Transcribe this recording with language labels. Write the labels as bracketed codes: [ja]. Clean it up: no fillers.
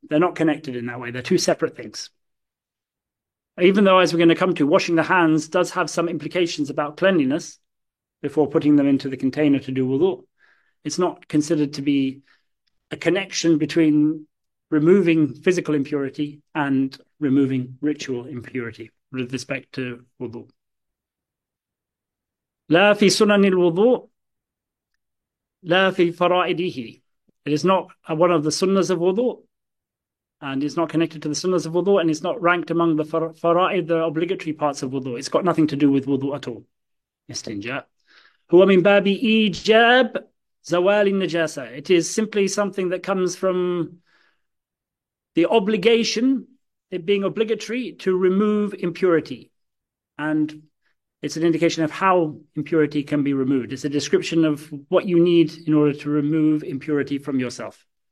[en] They're not connected in that way. They're two separate things. Even though, as we're going to come to, washing the hands does have some implications about cleanliness before putting them into the container to do wudu, it's not considered to be a connection between removing physical impurity and removing ritual impurity with respect to wudu. [ar] لا في سنن الوضوء لا في فرائده. [en] It is not one of the sunnahs of wudu, and it's not connected to the sunnahs of wudu, and it's not ranked among the fara'id, the obligatory parts of wudu. It's got nothing to do with wudu at all. Istinja. [ar] هو من باب إيجاب زوال النجاسة. [en] It is simply something that comes from the obligation, it being obligatory to remove impurity. And it's an indication of how impurity can be removed. It's a description of what you need in order to remove impurity from yourself.